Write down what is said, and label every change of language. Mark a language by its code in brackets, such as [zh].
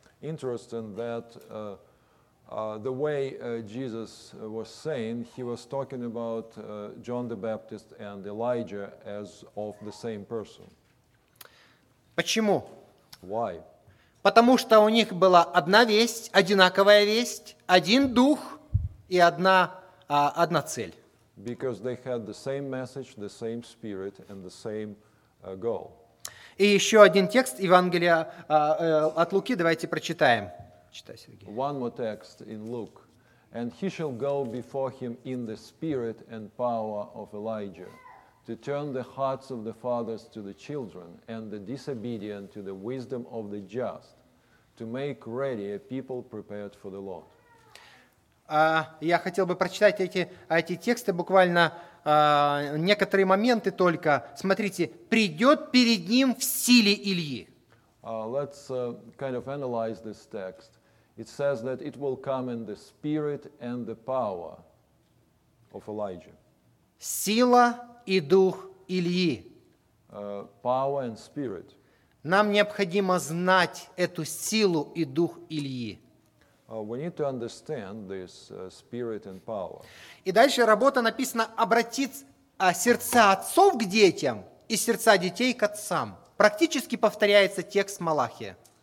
[en] Interesting that the way Jesus was saying, he was talking about John the Baptist and Elijah as of the same person. [ru] Почему? [en] Why? [ru] Потому что у них была одна весть, одинаковая весть, один дух и одна цель. [en] Because they had the same message, the same spirit, and the same goal. [ru] И еще один текст Евангелия от Луки, давайте прочитаем. Читай, Сергей. [en] One more text in Luke. And he shall go before him in the spirit and power of Elijah, to turn the hearts of the fathers to the children, and the disobedient to the wisdom of the just, to make ready a people prepared for the Lord. [ru] Я хотел бы прочитать эти тексты, буквально некоторые моменты только. Смотрите, придет перед ним в силе Ильи. [en] Let's kind of analyze this text. It says that it will come in the spirit and the power of Elijah. [ru] Сила и дух Ильи. [en] Power and spirit. [ru] Нам необходимо знать эту силу и дух Ильи. [en] We need to understand this spirit and power. [ru] И дальше работа написана обратить сердца отцов к детям и сердца детей к отцам. Практически повторяется текст Малахия.